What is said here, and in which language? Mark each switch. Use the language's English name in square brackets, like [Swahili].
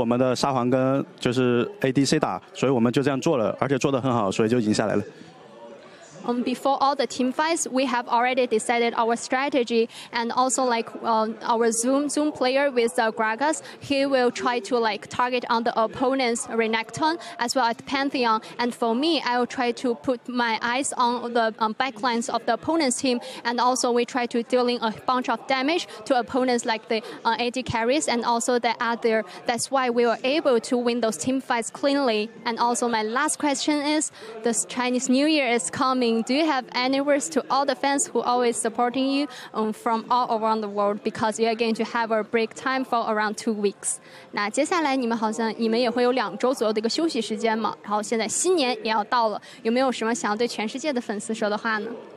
[Chinese] 好像从中期开始一直想找机会来强开嘛，但你们每一波都化解得很好，然后所以想问一下，你们是怎么样去处理这些对面中期的强开的节奏的？因为我们在开团之前我们就商量好，然后该怎么打团，所以我们就按照我们商量的，就是 九筒看着鳄鱼跟潘森，然后我看着他们后排，然后保着我们的沙皇跟就是 ADC 打，所以我们就这样做了，而且做得很好，所以就赢下来了。 [English] Before all the team fights, we have already decided our strategy, and also like our Zoom player with Gragas, he will try to like target on the opponent's Renekton as well as Pantheon. And for me, I will try to put my eyes on the backlines of the opponent's team, and also we try to dealing a bunch of damage to opponents like the AD carries and also the other. That's why we were able to win those team fights cleanly. And also my last question is, the Chinese New Year is coming. Do you have any words to all the fans who always supporting you from all around the world? Because you are going to have a break time for around 2 weeks. [Chinese] 那接下来你们好像你们也会有两周左右的一个休息时间嘛。然后现在新年也要到了，有没有什么想要对全世界的粉丝说的话呢？